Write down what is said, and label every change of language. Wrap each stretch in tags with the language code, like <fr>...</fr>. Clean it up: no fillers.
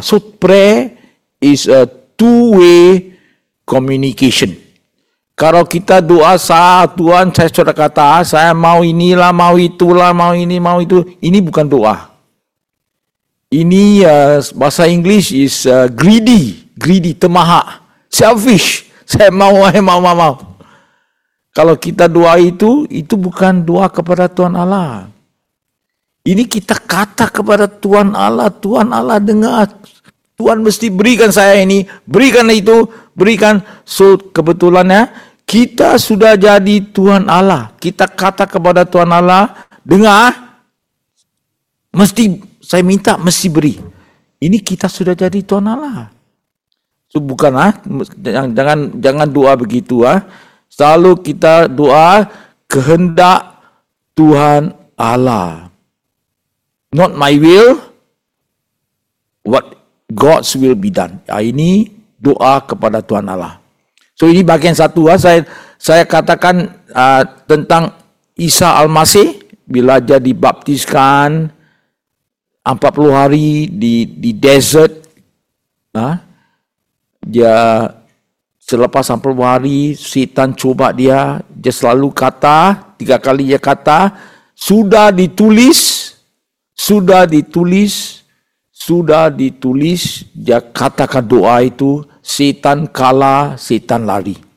<en>So, prayer is a two-way communication.</en> <ms>Kalau kita doa saat Tuhan, saya sudah kata, saya mau inilah, mau itulah, mau ini, mau itu. Ini bukan doa. Ini bahasa Inggris is greedy, temahak, selfish. Saya mau. Kalau kita doa itu bukan doa kepada Tuhan Allah. Ini kita kata kepada Tuhan Allah dengar. Tuhan mesti berikan saya ini, berikan itu, berikan. So, kebetulannya, kita sudah jadi Tuhan Allah. Kita kata kepada Tuhan Allah, dengar, mesti saya minta, mesti beri. Ini kita sudah jadi Tuhan Allah. So, bukan, jangan doa begitu. Selalu kita doa kehendak Tuhan Allah.</ms> <en>Not my will, what God's will be done.</en> <ms>Ya, ini doa kepada Tuhan Allah. So ini bagian satu, saya katakan tentang Isa Almasih bila dia dibaptiskan 40 hari di desert. Dia selepas 40 hari, setan coba dia, dia selalu kata, tiga kali dia kata, sudah ditulis, sudah ditulis, sudah ditulis, dia katakan doa itu, setan kalah, setan lari.</ms>